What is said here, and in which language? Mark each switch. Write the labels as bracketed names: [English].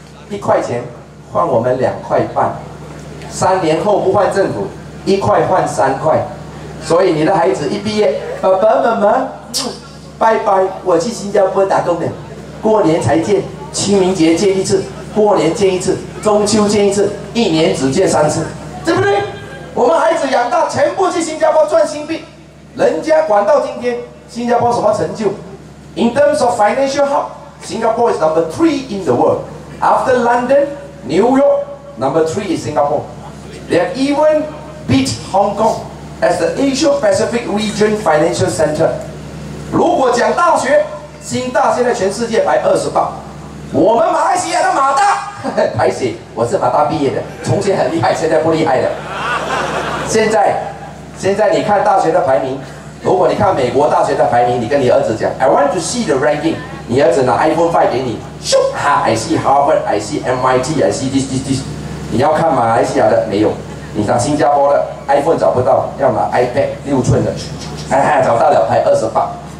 [Chinese] 1块钱换我们2块半，3年后不换政府，1块换3块，所以你的孩子一毕业，爸爸妈妈，拜拜，我去新加坡打工了，过年才见，清明节见一次，过年见一次，中秋见一次，一年只见3次，对不对？我们孩子养大，全部去新加坡赚新币，人家管到今天，新加坡什么成就 ？ [English] In terms of financial health, Singapore is number 3 in the world.After London, New York, number three is Singapore. They have even beat Hong Kong as the Asia Pacific Region Financial Center. [Chinese] 如果讲大学，新大现在全世界排28，我们马来西亚的马大排谁？我是马大毕业的，从前很厉害，现在不厉害了。现在你看大学的排名，如果你看美国大学的排名，你跟你儿子讲 [English] I want to see the ranking， [Chinese] 你儿子拿 iPhone 5给你，咻哈 [English] I see Harvard， I see MIT， I see this， [Chinese] 你要看马来西亚的没有，你拿新加坡的 iPhone 找不到，要拿 iPad 6寸的，找到了排28。